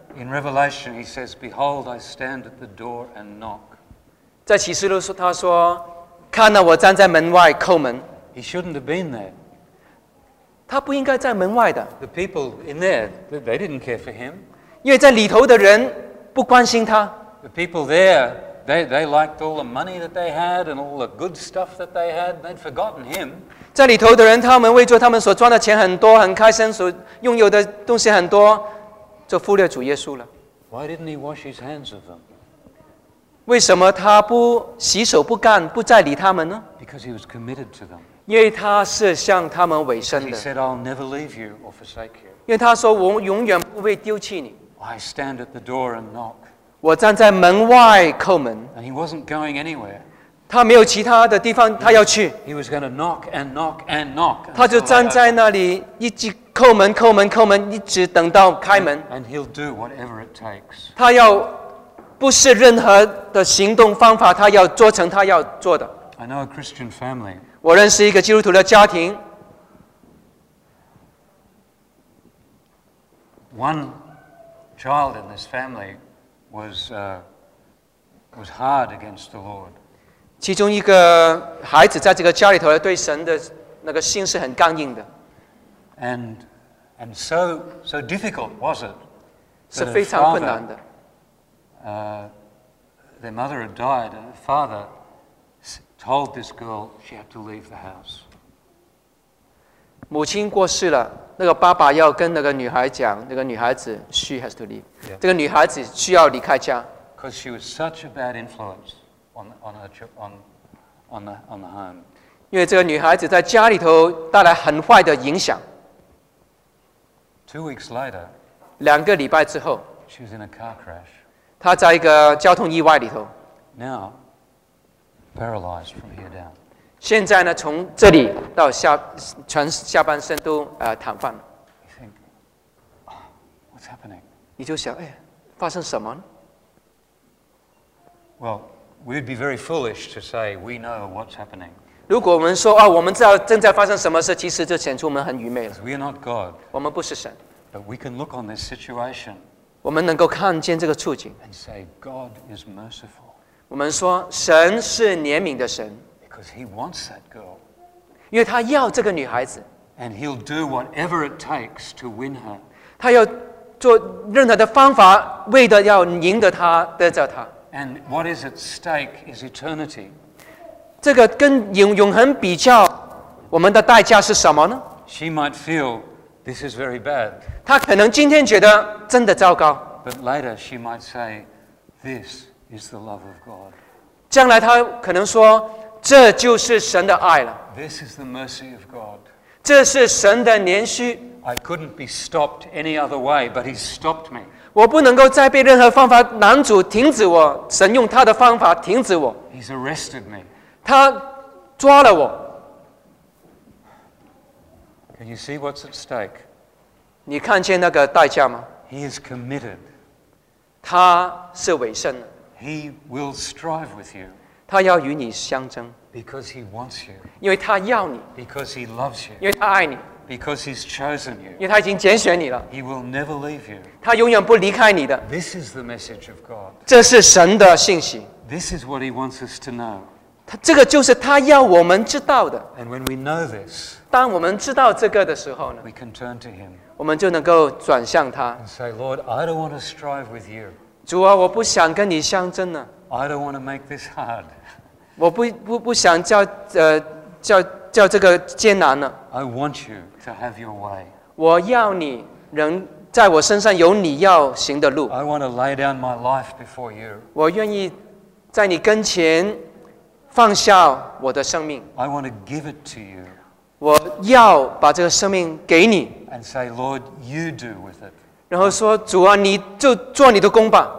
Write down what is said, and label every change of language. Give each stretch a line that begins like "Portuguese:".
English: In Revelation he says, Behold, I stand at the door and knock.
Chinese: 在启示录说，他说，看到我站在门外叩门。
English: He shouldn't have been there.
Chinese: 他不应该在门外的。
English: The people in there, they didn't care for him.
Chinese: 因为在里头的人不关心他。
English: The people there, they liked all the money that they had and all the good stuff that they had. They'd forgotten him.
Chinese: 在里头的人，他们为着他们所赚的钱很多，很开心，所拥有的东西很多，就忽略主耶稣了。
English: Why didn't he wash his hands of them?
Chinese: 为什么他不洗手不干，不再理他们呢？
English: Because he was committed to them.
Chinese: 因为他是向他们委身的。
English: He said, "I'll never leave you or forsake you."
Chinese: 因为他说，我永远不会丢弃你。
English: I stand at the door and knock.
Chinese: 我站在门外叩门。
English: And he wasn't going anywhere.
Chinese: 他没有其他的地方他要去。
English: He was going to knock and knock and knock.
Chinese: 他就站在那里，一直叩门、叩门、叩门，一直等到开门。
English: And he'll do whatever it takes.
Chinese: 他要不是任何的行动方法，他要做成他要做的。
English: I know a Christian family.
Chinese: 我认识一个基督徒的家庭。
English: One child in this family was hard against the Lord.
Chinese: 其中一个孩子在这个家里头对神的那个心是很刚硬的。
English: And so difficult was it?
Chinese: 是非常困难的。
English: Their mother had died, and her father. Told this girl she had to leave the house.
Chinese: 母亲过世了，那个爸爸要跟那个女孩讲，那个女孩子
English: she has to leave.
Chinese: 这个女孩子需要离开家。
English: Because she was such a bad influence on the home.
Chinese: 因为这个女孩子在家里头带来很坏的影响。
English: Two weeks later,
Chinese: 两个礼拜之后
English: she was in a car crash.
Chinese: 她在一个交通意外里头。
English: Now. Paralyzed from here down.
Chinese: 现在呢，从这里到下，全下半身都瘫痪了。
English: You think, what's happening?
Chinese: 你就想，哎，发生什么呢？
English: Well, we'd be very foolish to say we know what's happening.
Chinese: 如果我们说啊，我们知道正在发生什么事，其实就显出我们很愚昧了。
English: Because we are not God.
Chinese: 我们不是神。
English: But we can look on this situation.
Chinese: 我们能够看见这个处境。
English: And say God is merciful.
Chinese: 我们说神是怜悯的神
English: Because he wants that girl.
Chinese: 因为他要这个女孩子
English: And he'll do whatever it takes to win her.
Chinese: 他要做任何的方法为的要赢得她得着她
English: And what is at stake is eternity.
Chinese: 这个跟永恒比较我们的代价是什么呢
English: She might feel this is very bad.
Chinese: 她可能今天觉得真的糟糕
English: But later she might say thisIs the love of God.
Chinese: 将来他可能说，这就是神的爱了。
English: This is the mercy of God.
Chinese: 这是神的怜恤。
English: I couldn't be stopped any other way, but He stopped me.
Chinese: 我不能够再被任何方法拦阻停止我。神用他的方法停止我。
English: He's arrested me.
Chinese: 他抓了我。
English: And you see what's at stake.
Chinese: 你看见那个代价吗?
English: He is committed.
Chinese: 他是委身的。
English: He will strive with you.
Chinese: 他要与你相争。
English: Because he wants you.
Chinese: 因为他要你。
English: Because he loves you.
Chinese: 因为他爱你。
English: Because he's chosen you.
Chinese: 因为他已经拣选你了。
English: He will never leave you.
Chinese: 他永远不离开你的。
English: This is the message of God.
Chinese: 这是神的信息。
English: This is what he wants us to know.
Chinese: 他这个就是他要我们知道的。
English: And when we know this,
Chinese: 当我们知道这个的时候呢?
English: We can turn to him.
Chinese: 我们就能够转向他。
English: And say, Lord, I don't want to strive with you.
Chinese: 主啊，我不想跟你相争呢。
English: I don't want to make this hard.
Chinese: 我不想叫这个艰难呢。
English: I want you to have your way.
Chinese: 我要你仍在我身上有你要行的路。
English: I want to lay down my life before you.
Chinese: 我愿意在你跟前放下我的生命。
English: I want to give it to you.
Chinese: 我要把这个生命给你。
English: And say, Lord, you do with it.
Chinese: 然后说，主啊，你就做你的工吧。